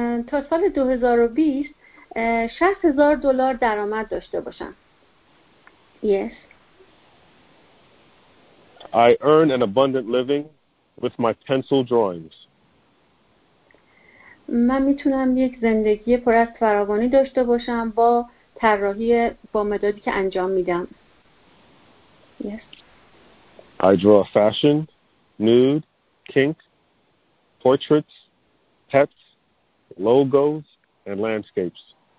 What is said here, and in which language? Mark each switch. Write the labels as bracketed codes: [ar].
[fa] تا سال 2020 60,000 دلار درآمد داشته باشم. [en] Yes. I earn an abundant living with my pencil drawings. [fa] من میتونم یک زندگی پر از فراوانی داشته باشم با طراحی با مدادی که انجام میدم. [en] Yes. I draw fashion, nude, kink, portraits, pets, logos and landscapes.